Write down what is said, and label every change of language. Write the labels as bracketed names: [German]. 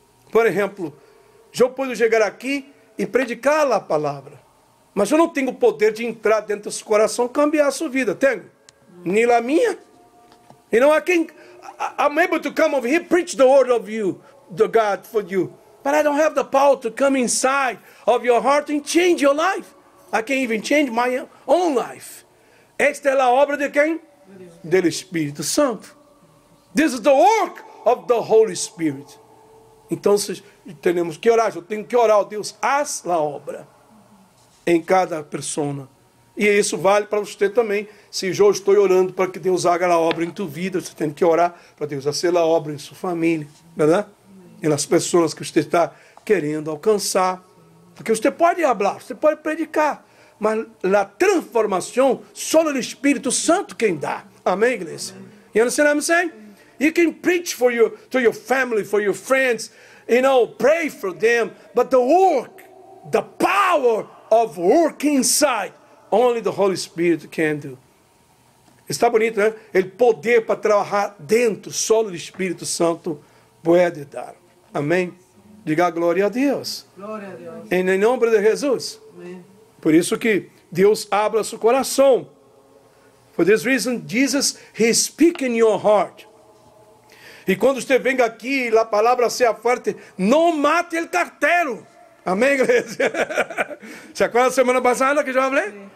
[Portuguese] Por exemplo, eu posso chegar aqui e predicar a palavra, mas eu não tenho o poder de entrar dentro do seu coração e cambiar a sua vida. Tenho? Nem a minha. [English] You know, I'm able to come over here, preach the word of you, the God for you. But I don't have the power to come inside of your heart and change your life. I can't even change my own life. [Portuguese] Esta é a obra de quem? Do Espírito Santo. [English] This is the work of the Holy Spirit. [Portuguese] Então, temos que orar. Eu tenho que orar, Deus, haz a obra em cada persona. E isso vale para você também. Se eu estou orando para que Deus haga a obra em tua vida, você tem que orar para Deus fazer a obra em sua família, verdade? E nas pessoas que você está querendo alcançar. Porque você pode falar, você pode predicar, mas a transformação só no Espírito Santo quem dá. Amém, igreja? Amém. [English] You understand what I'm saying? You can preach for your, to your family, for your friends, you know, pray for them, but the work, the power of work inside, only the Holy Spirit can do. [Portuguese] Está bonito, né? Ele poder para trabalhar dentro, só o Espírito Santo pode dar. Amém? Diga glória a Deus. Glória a Deus. Em nome de Jesus. Amém. Por isso que Deus abre o seu coração. [English] For this reason, Jesus, he speaks in your heart. [Portuguese] E quando você vem aqui e a palavra seja forte, não mate o carteiro. Amém, igreja? Você acorda semana passada que eu já falei?